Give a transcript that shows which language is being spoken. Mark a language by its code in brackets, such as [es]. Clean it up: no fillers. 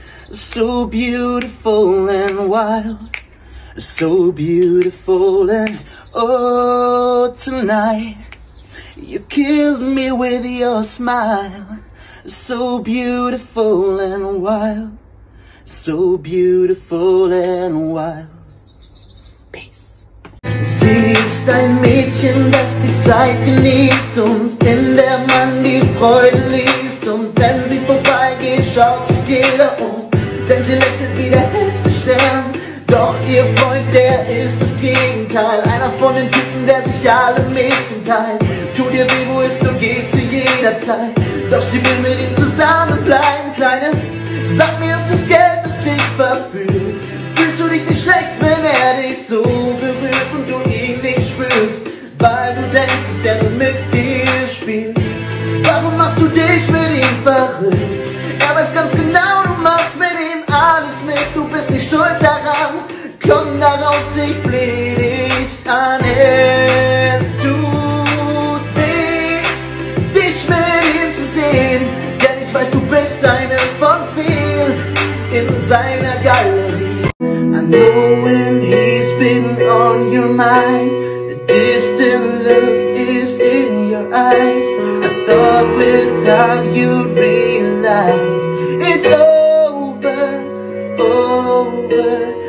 [en] So beautiful and wild, so beautiful and oh, tonight you kill me with your smile. So beautiful and wild, so beautiful and wild. [de] Siehst ein Mädchen, das die Zeit genießt und in der man die Freude liest. Und wenn sie vorbeigeht, schaut sich jeder um, denn sie lächelt wie der hellste Stern. Doch ihr Freund, der ist das Gegenteil, einer von den Typen, der sich alle Mädchen teilt. Tu dir weh, wo es nur geht, zu jeder Zeit, doch sie will mit ihm zusammenbleiben. Kleine, sag mir, ist das Geld, das dich verführt? Fühlst du dich nicht schlecht, wenn er dich so berührt und du ihn nicht spürst, weil du denkst, dass er nur mit dir spielt? Warum machst du dich mit ihm verrückt? Er weiß ganz genau, du machst mit ihm alles mit, du bist nicht schuld daran. Komm da raus, ich flehe dich an, es tut weh, dich mit ihm zu sehen, denn ich weiß, du bist eine von viel in seiner Galerie. [en] Knowing he's been on your mind, the distant look is in your eyes. I thought with time you'd realize it's over, over.